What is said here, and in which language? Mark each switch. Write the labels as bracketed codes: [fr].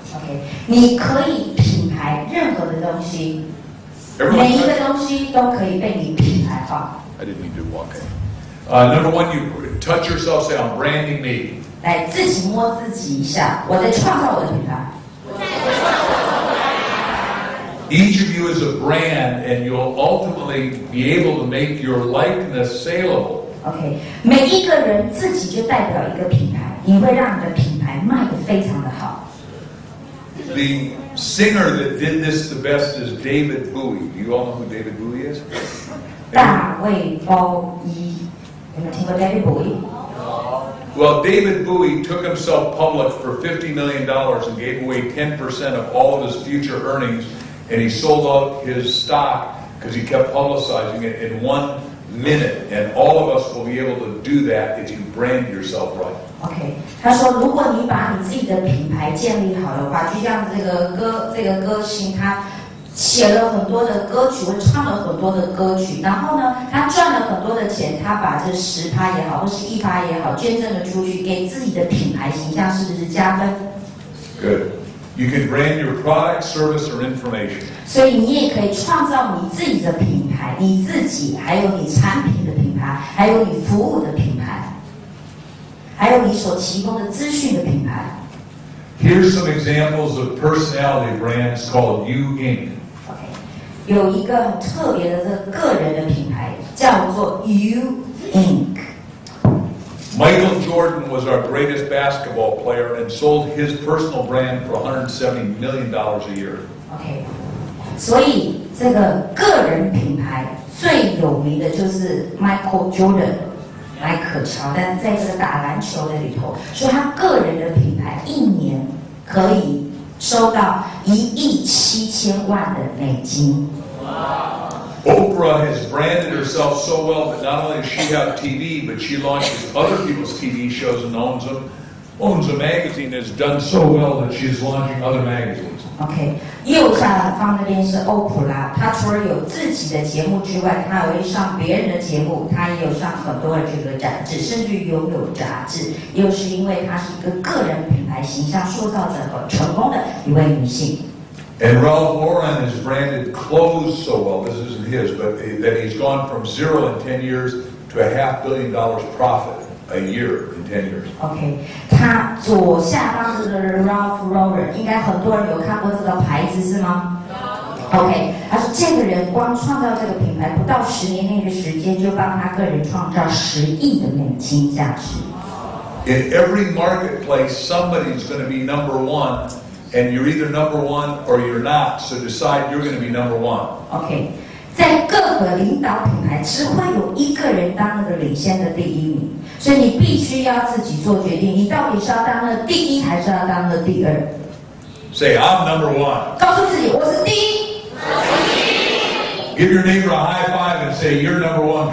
[zh] Okay, 你可以品牌任何的东西，每一个东西都可以被你品牌化。 [en] I didn't mean to walk in. Number one, you touch yourself. Say, I'm branding me. [zh] 来，自己摸自己一下，我在创造我的品牌。 [en] Each of you is a brand, and you'll ultimately be able to make your likeness saleable. [zh] Okay, 每一个人自己就代表一个品牌，你会让你的品牌卖得非常的好。 [en] The singer that did this the best is David Bowie. Do you all know who David Bowie is? [zh] 大卫鲍伊，有没有听过 David Bowie？ [en] Well, David Bowie took himself public for $50 million and gave away 10% of all of his future earnings. And he sold out his stock because he kept publicizing it in 1 minute. And all of us will be able to do that if you brand yourself right. [zh] Okay, 他说如果你把你自己的品牌建立好的话，就像这个歌星，他写了很多的歌曲，唱了很多的歌曲，然后呢，他赚了很多的钱，他把这10%也好，或是1%也好，捐赠了出去，给自己的品牌形象是不是加分 [en] ？Good. You can brand your product, service, or information. [zh] 所以你也可以创造你自己的品牌，你自己，还有你产品的品牌，还有你服务的品牌，还有你所提供的资讯的品牌。 [en] Here's some examples of personality brands called You Inc. [zh] Okay, 有一个特别的个人的品牌叫做 You Inc. [en] Michael Jordan was our greatest basketball player and sold his personal brand for $170 million a year. [zh] Okay, 所以这个个人品牌最有名的就是 Michael Jordan, 迈克乔丹在这个打篮球的里头，所以他个人的品牌一年可以收到1,700,000的美金。 [en] Oprah has branded herself so well that not only does she have TV, but she launches other people's TV shows and owns a magazine that's done so well that she's launching other magazines. [zh] Okay, 右下方那边是欧普拉，她除了有自己的节目之外，她还会上别人的节目，她也有上很多的这个杂志，甚至拥有杂志，又是因为她是一个个人品牌形象塑造的很成功的一位女性。 [en] And Ralph Lauren has branded clothes so well, this isn't his, but that he's gone from zero in 10 years to $500 million profit a year in 10 years. [zh] Okay, 他左下方这个 Ralph Lauren, 应该很多人有看过这个牌子是吗 Okay, 他说这个人光创造这个品牌不到十年内的时间就帮他个人创造10亿的美金价值。 [en] In every marketplace, somebody's going to be number one,And you're either number one or you're not, so decide you're going to be number one. [zh] Okay, 在各个领导品牌只会有一个人当那个领先的第一名，所以你必须要自己做决定，你到底是要当那第一还是要当那第二？ [en] Say I'm number one. [zh] 告诉自己我是第一。 [en] Give your neighbor a high five and say you're number one.